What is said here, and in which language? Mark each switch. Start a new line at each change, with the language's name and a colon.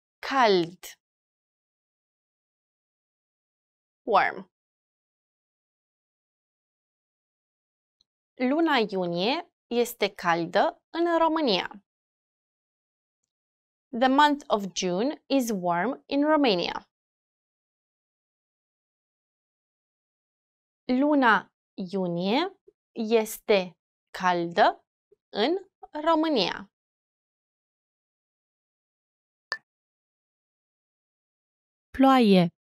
Romanian: Cald.
English: Warm.
Romanian: Luna iunie este caldă în România.
English: The month of June is warm in Romania.
Romanian: Luna iunie este caldă în România. Ploaie.